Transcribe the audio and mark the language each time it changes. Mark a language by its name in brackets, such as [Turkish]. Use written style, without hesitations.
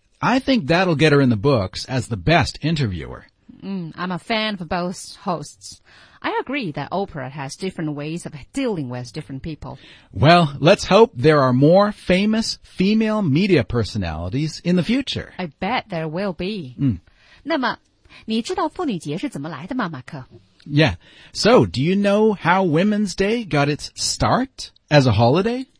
[English] I think that'll get her in the books as the best interviewer. I'm a fan of both hosts. I agree that Oprah has different ways of dealing with different people. Well, let's hope there are more famous female media personalities in the future. I bet there will be. [Chinese] 那么你知道妇女节是怎么来的吗马克 [English] Yeah. So, do you know how Women's Day got its start as a holiday?